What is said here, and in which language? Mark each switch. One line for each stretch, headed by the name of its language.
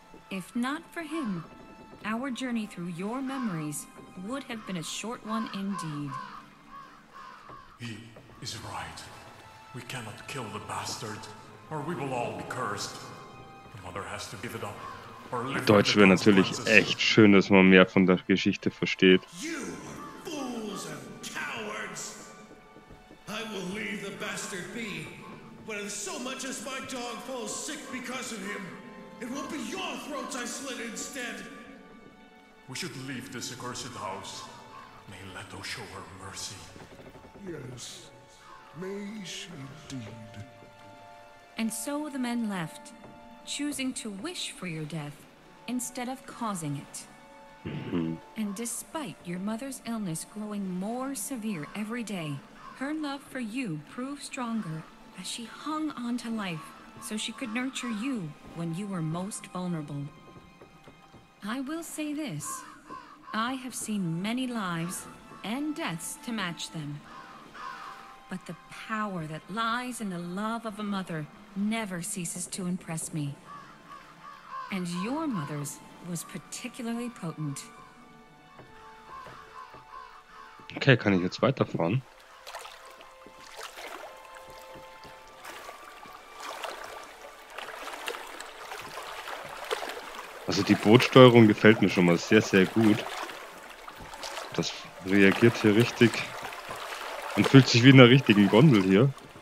English: If not for him, our journey through your memories would have been a short one indeed. He is right. We cannot kill the bastard, or we will all be cursed. The mother has to give it up.
German: Deutsch wäre natürlich echt schön, dass man mehr von der Geschichte versteht.
English: You fools and cowards! I will leave the bastard be. But if so much as my dog falls sick because of him, it will be your throats I slit instead. We should leave this accursed house. May Leto show her mercy. Yes, may she indeed. And so the men left, choosing to wish for your death instead of causing it. And despite your mother's illness growing more severe every day, her love for you proved stronger as she hung on to life so she could nurture you when you were most vulnerable. I will say this, I have seen many lives and deaths to match them. But the power that lies in the love of a mother never ceases to impress me. And your mother's was particularly potent.
German: Okay, kann ich jetzt weiterfahren? Also die Bootsteuerung gefällt mir schon mal sehr, sehr gut. Das reagiert hier richtig und fühlt sich wie in einer richtigen Gondel hier.